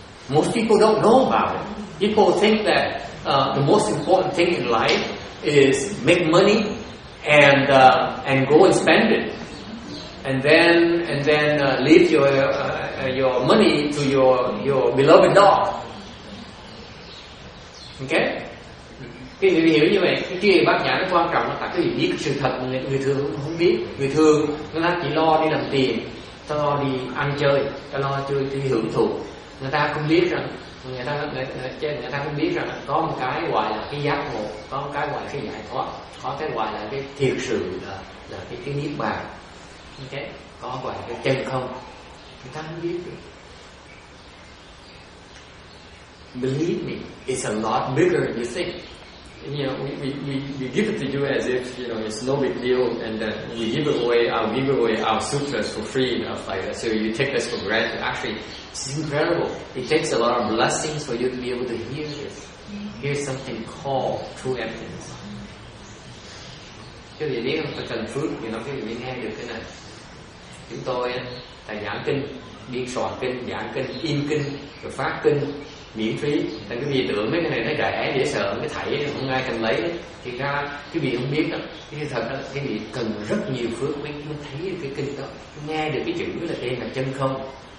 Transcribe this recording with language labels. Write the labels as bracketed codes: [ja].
[en] Most people don't know about it. People think that the most important thing in life is make money and go and spend it. And then leave your money to your beloved dog. Okay? [vi] Thì mình hiểu như vậy, cái kia bác nhà nó quan trọng là tại cái gì biết sự thật mà người thường cũng không biết. Người thường người ta chỉ lo đi làm tiền, ta lo đi ăn chơi, ta lo chơi đi hưởng thụ. Người ta không biết rằng, người ta không biết rằng có một cái gọi là cái giác ngộ, có một cái gọi là cái giải thoát, có cái gọi là cái thiệt sự là cái niết bàn. Okay. Có gọi là cái chân không, người ta không biết được. [en] Believe me, it's a lot bigger than you think. You know, we give it to you as if, you know, it's no big deal, and then we give away our sutras for free and stuff like that. So you take this for granted. Actually, it's incredible. It takes a lot of blessings for you to be able to hear this. Hear something called true emptiness. [vi] Cái gì đấy không phải cần phước, thì nó cái gì nghe được cái này. Chúng tôi tại giảng kinh, biên soạn kinh, giảng kinh, in kinh, rồi phát kinh miễn phí, là cái gì tưởng mấy cái này nó rẻ dễ sợ, cái thảy không ai cần lấy, thì ra cái gì không biết đó, cái thật đó, cái gì cần rất nhiều phước mới thấy được cái kinh đó, nghe được cái chữ là tên là chân không.